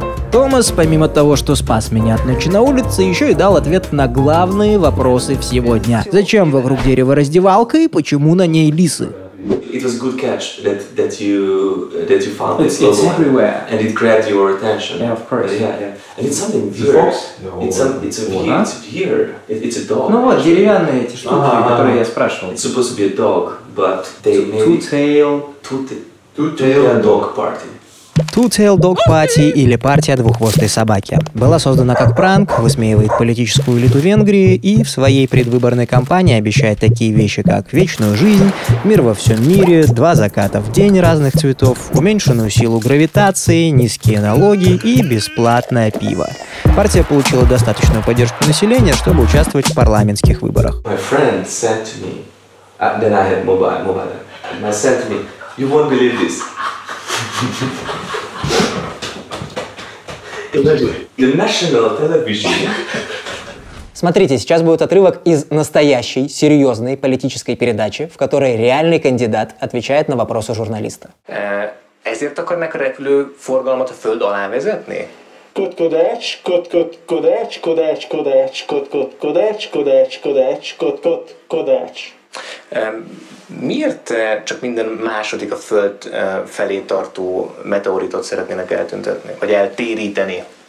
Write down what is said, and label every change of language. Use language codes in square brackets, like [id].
[ru] Томас, помимо того, что спас меня от ночи на улице, еще и дал ответ на главные вопросы всего дня. Зачем вокруг дерева раздевалка и почему на ней лисы? [en] It was a good catch that you found this little one. It's everywhere. And it grabbed your attention. Yeah, of course. Yeah. And it's something here. It's a fox? It's a deer. It's a dog. [ru] Ну вот, деревянные эти штуки, которые я спрашивал. [en] It's supposed to be a dog, but they made... Two-tail... Two-tail dog party. [ru] Two-Tailed Dog Party, или «Партия двуххвостой собаки», была создана как пранк, высмеивает политическую элиту Венгрии и в своей предвыборной кампании обещает такие вещи, как вечную жизнь, мир во всем мире, два заката в день разных цветов, уменьшенную силу гравитации, низкие налоги и бесплатное пиво. Партия получила достаточную поддержку населения, чтобы участвовать в парламентских выборах. [en] My friend sent to me, then I had mobile, and I sent to me, you won't believe this. The national television. [ru] Смотрите, сейчас будет отрывок из настоящей, серьезной политической передачи, в которой реальный кандидат отвечает на вопросы журналиста. [hu] Ezért akarnak repülő forgalmat a föld alá vezetni? Kodkodács, kodkodács, kodács, kodács, kodkodács, kodács, kodács, kodács, kodács. Miért csak minden második a Föld felé tartó meteoritot szeretnének eltüntetni, vagy eltéríteni?